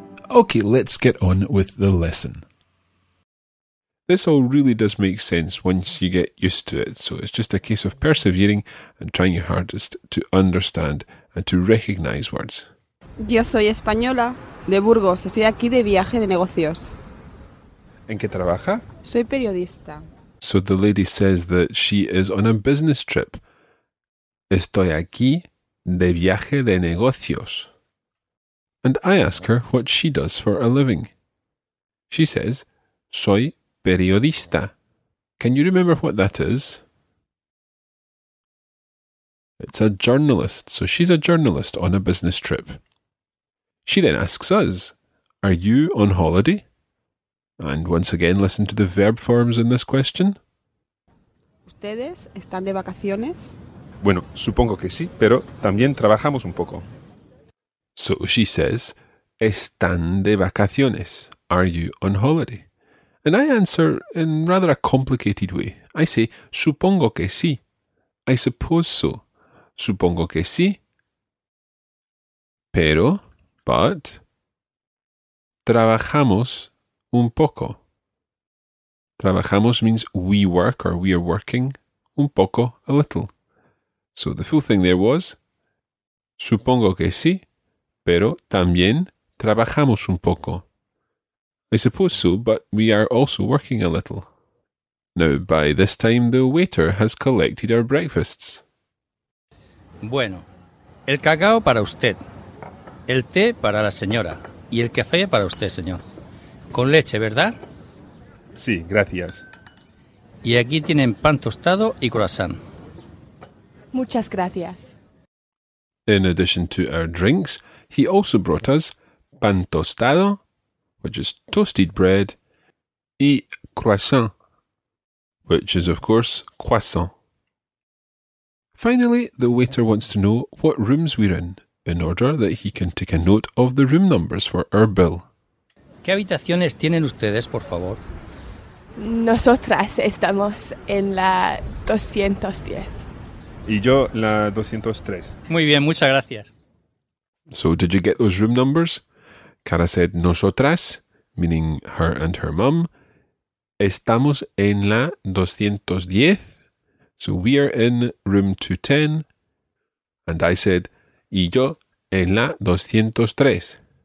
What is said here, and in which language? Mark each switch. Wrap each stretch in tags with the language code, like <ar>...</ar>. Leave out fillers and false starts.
<en>Okay, let's get on with the lesson. This all really does make sense once you get used to it, so it's just a case of persevering and trying your hardest to understand and to recognize words.</en> <es>Yo soy española, de Burgos. Estoy aquí de viaje de negocios. ¿En qué trabaja? Soy periodista.</es> <en>So the lady says that she is on a business trip.</en> <es>Estoy aquí de viaje de negocios.</es> <en>And I ask her what she does for a living. She says,</en> <es>soy periodista.</es> <en>Can you remember what that is? It's a journalist, so she's a journalist on a business trip. She then asks us, are you on holiday? And once again, listen to the verb forms in this question.</en> <es>¿Ustedes están de vacaciones? Bueno, supongo que sí, pero también trabajamos un poco.</es> <en>So she says,</en> <es>están de vacaciones.</es> <en>Are you on holiday? And I answer in rather a complicated way. I say,</en> <es>supongo que sí.</es> <en>I suppose so.</en> <es>Supongo que sí. Pero,</es> <en>but,</en> <es>trabajamos un poco.</es> <en>Trabajamos means we work or we are working</en> <es>un poco,</es> <en>a little. So the full thing there was,</en> <es>supongo que sí. Pero también trabajamos un poco.</es> <en>I suppose so, but we are also working a little. Now, by this time, the waiter has collected our breakfasts.</en> <es>Bueno, el cacao para usted, el té para la señora y el café para usted, señor. Con leche, ¿verdad? Sí, gracias. Y aquí tienen pan tostado y croissant. Muchas gracias.</es> <en>In addition to our drinks, he also brought us</en> <es>pan tostado,</es> <en>which is toasted bread, y croissant, which is, of course, croissant. Finally, the waiter wants to know what rooms we're in order that he can take a note of the room numbers for our bill.</en> <es>¿Qué habitaciones tienen ustedes, por favor? Nosotras estamos en la 210. Y yo la 203. Muy bien, muchas gracias.</es> <en>So did you get those room numbers? Cara said nosotras, meaning her and her mum.</en> <es>Estamos en la 210.</es> <en>So we are in room 210. And I said,</en> <es>y yo en la 203.</es>